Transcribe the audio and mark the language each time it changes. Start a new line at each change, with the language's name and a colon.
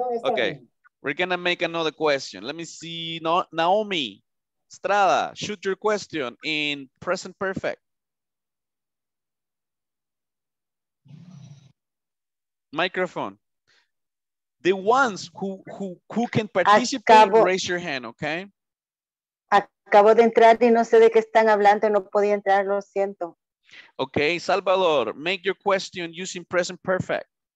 English: Okay, we're gonna make another question. Let me see. Naomi Estrada, shoot your question in present perfect. Microphone. The ones who can participate, raise your hand, okay?
Spanish: Acabo de entrar y no sé de qué están hablando. No podía entrar, lo siento.
English: Okay, Salvador, make your question using present perfect.